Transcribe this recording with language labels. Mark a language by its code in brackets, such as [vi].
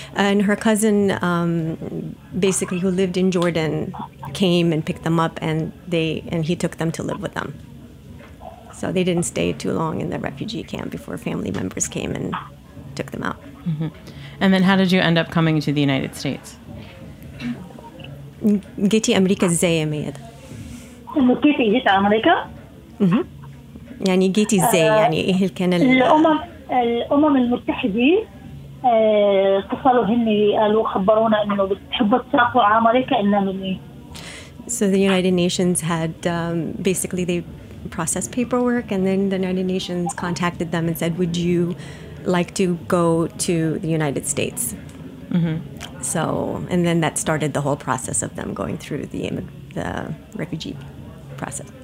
[en] And her cousin, basically, who lived in Jordan, came and picked them up, and he took them to live with them. So they didn't stay too long in the refugee camp before family members came and took them out. Mm-hmm. And then how did you end up coming to the United States? [ar] جيتي أمريكا إزاي يا مياد؟ كيفي جيت أمريكا؟ يعني جيتي إزاي؟ يعني إيه كان الأمم المتحدة اتصلوا هني قالوا خبرونا إنه بتحب تسافر على أمريكا إلنا مني. [en] So the United Nations had basically they processed paperwork and then the United Nations contacted them and said, would you like to go to the United States? Mm-hmm. So, and then that started the whole process of them going through the refugee process.